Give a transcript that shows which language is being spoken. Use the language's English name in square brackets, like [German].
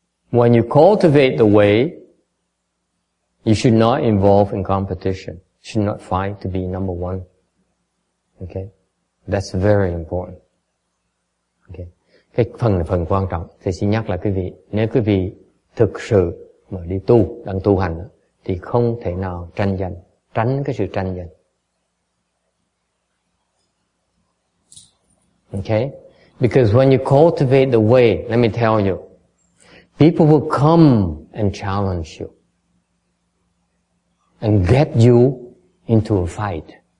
[English] When you cultivate the way, you should not involve in competition. You should not fight to be number one. Okay? That's very important. Okay? [Vietnamese] Cái phần này phần quan trọng. Thầy xin nhắc lại quý vị. Nếu quý vị thực sự mà đi tu, đang tu hành, thì không thể nào tranh giành. Tránh cái sự tranh giành. [English] Okay? Because when you cultivate the way, let me tell you, people will come and challenge you and get you into a fight.